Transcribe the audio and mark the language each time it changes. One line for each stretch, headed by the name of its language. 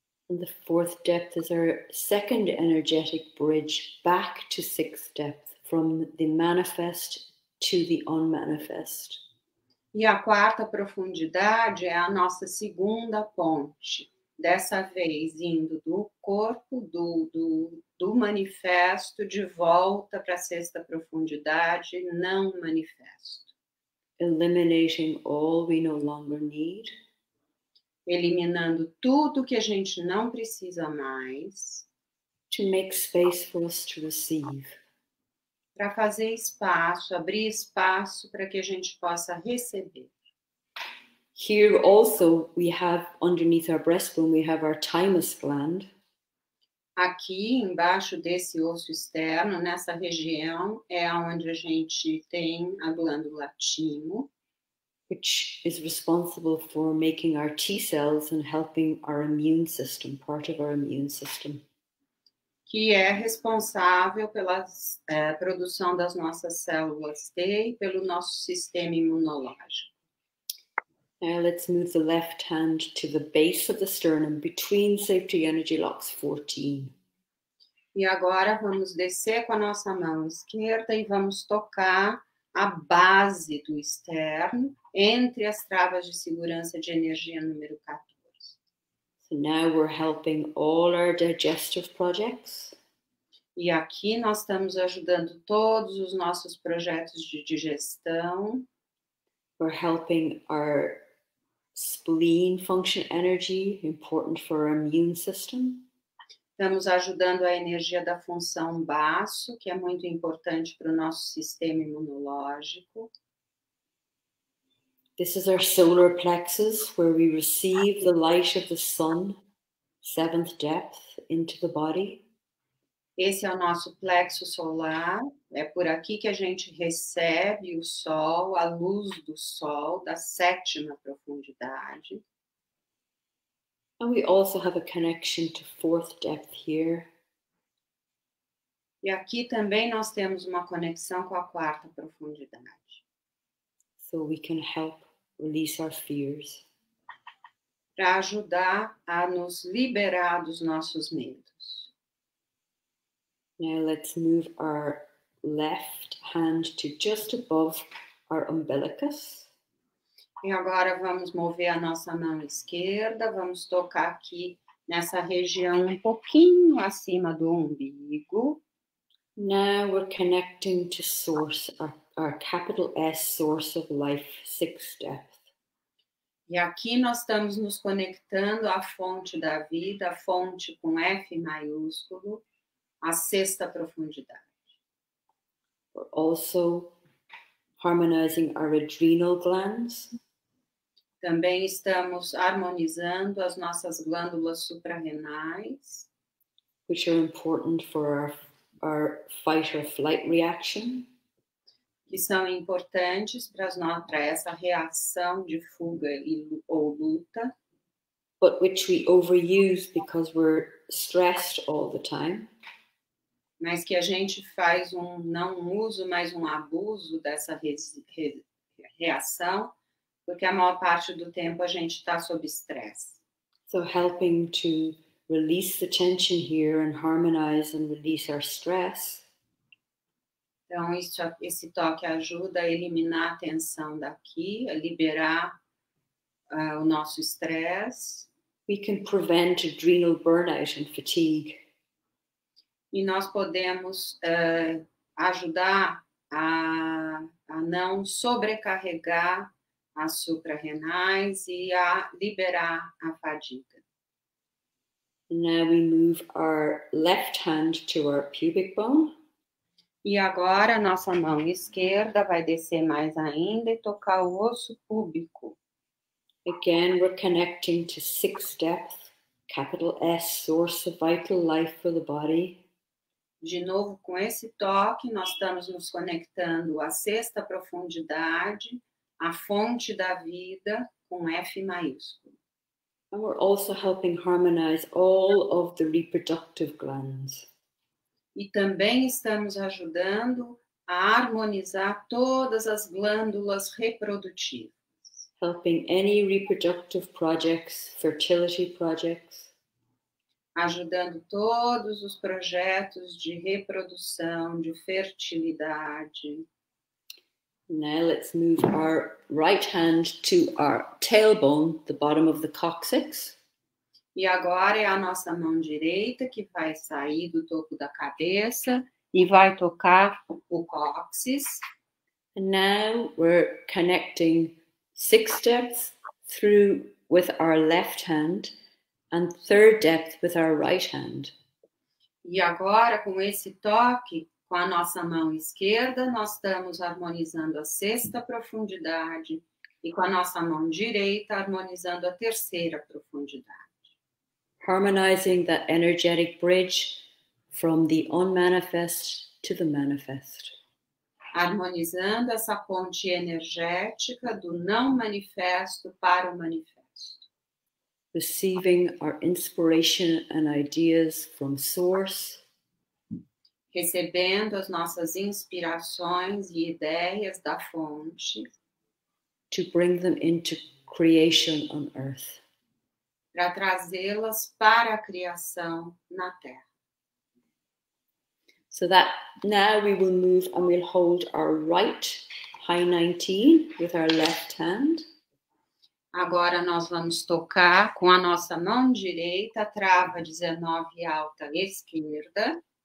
English: And the fourth depth is our second energetic bridge back to sixth depth, from the manifest to the unmanifest.
Portuguese: E a quarta profundidade é a nossa segunda ponte, dessa vez indo do corpo, do manifesto, de volta para a sexta profundidade, não manifesto.
English: Eliminating all we no longer need.
Portuguese: Eliminando tudo que a gente não precisa mais.
English: To make space for us to receive.
Portuguese: Para fazer espaço, abrir espaço para que a gente possa receber.
English: Here also we have underneath our breastbone, we have our thymus gland.
Portuguese: Aqui embaixo desse osso externo, nessa região, é onde a gente tem a glândula timo.
English: Which is responsible for making our T cells and helping our immune system, part of our immune system.
Portuguese: Que é responsável pela produção das nossas células T e pelo nosso sistema imunológico.
English: Now let's move the left hand to the base of the sternum between safety energy locks 14.
Portuguese: E agora vamos descer com a nossa mão esquerda e vamos tocar a base do externo entre as travas de segurança de energia número 14.
English: So now we're helping all our digestive projects.
Portuguese: E aqui nós estamos ajudando todos os nossos projetos de digestão.
English: We're helping our spleen function energy, important for our immune system.
Portuguese: Estamos ajudando a energia da função baço, que é muito importante para o nosso sistema imunológico.
English: This is our solar plexus, where we receive the light of the sun, seventh depth, into the body.
Portuguese: Esse é o nosso plexo solar, é por aqui que a gente recebe o sol, a luz do sol, da sétima profundidade.
English: And we also have a connection to fourth depth here.
Portuguese: E aqui também nós temos uma conexão com a quarta profundidade.
English: So we can help release our fears.
Portuguese: Para ajudar a nos liberar dos nossos medos.
English: Now let's move our left hand to just above our umbilicus.
Portuguese: E agora vamos mover a nossa mão esquerda, vamos tocar aqui nessa região um pouquinho acima do umbigo.
English: Now we're connecting to source, our capital S, source of life, sixth depth.
Portuguese: E aqui nós estamos nos conectando à fonte da vida, a fonte com F maiúsculo, à sexta profundidade.
English: We're also harmonizing our adrenal glands.
Portuguese: Também estamos harmonizando as nossas glândulas suprarrenais,
English: which are important for our fight or flight reaction,
Portuguese: que são importantes para essa reação de fuga ou luta,
English: but which we overuse because we're stressed all the time.
Portuguese: Mas que a gente faz não um uso, mas um abuso dessa reação. Porque a maior parte do tempo a gente está sob estresse.
English: So helping to release the tension here and harmonize and release our stress.
Portuguese: Então, esse toque ajuda a eliminar a tensão daqui, a liberar o nosso estresse.
English: We can prevent adrenal burnout and fatigue.
Portuguese: E nós podemos ajudar a não sobrecarregar as suprarrenais e a liberar a fadiga.
English: Now we move our left hand to our pubic bone.
Portuguese: E agora nossa mão esquerda vai descer mais ainda e tocar o osso púbico.
English: Again, we're connecting to sixth depth, capital S, source of vital life for the body.
Portuguese: De novo, com esse toque, nós estamos nos conectando à sexta profundidade, à fonte da vida, com F maiúsculo.
English: And we're also helping harmonize all of the reproductive glands.
Portuguese: E também estamos ajudando a harmonizar todas as glândulas reprodutivas.
English: Helping any reproductive projects, fertility projects.
Portuguese: Ajudando todos os projetos de reprodução, de fertilidade.
English: Now let's move our right hand to our tailbone, the bottom of the coccyx.
Portuguese: E agora é a nossa mão direita que vai sair do topo da cabeça e vai tocar o cóccix.
English: And now we're connecting six depths through with our left hand and third depth with our right hand.
Portuguese: E agora, com esse toque, com a nossa mão esquerda, nós estamos harmonizando a sexta profundidade e com a nossa mão direita, harmonizando a terceira profundidade.
English: Harmonizing that energetic bridge from the unmanifest to the manifest.
Portuguese: Harmonizando essa ponte energética do não manifesto para o manifesto.
English: Receiving our inspiration and ideas from source.
Portuguese: Recebendo as nossas inspirações e ideias da fonte.
English: To bring them into creation on earth.
Portuguese: Para trazê-las para a criação na Terra.
English: So that now we will move and we'll hold our right high 19 with our left hand.
Portuguese: Agora nós vamos tocar com a nossa mão direita, trava 19 alta esquerda.